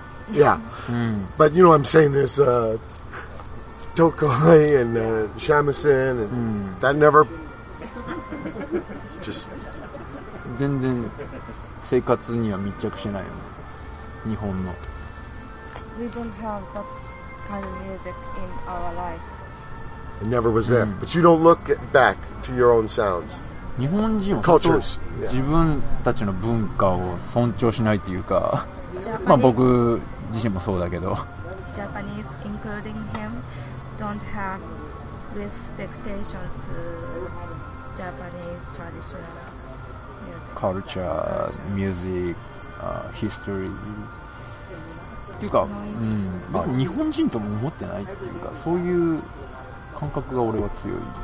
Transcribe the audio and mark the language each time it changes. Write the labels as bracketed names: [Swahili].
[English] Yeah, but you know I'm saying this Tokoi and shamisen and that never just [Japanese] 全然生活には密着しないよね日本の [English] We don't have that kind of music in our life It never was there、But you don't look back to your own sounds [Japanese] 日本人 [English] は Cultures [Japanese] 自分たちの文化を尊重しないっていうか まあ僕自身もそうだけど [English] Japanese including himDon't have respectation to Japanese traditional music. Culture, music, history. [Japanese] っていうか、まあ日本人とも思ってないっていうか、そういう感覚が俺は強い。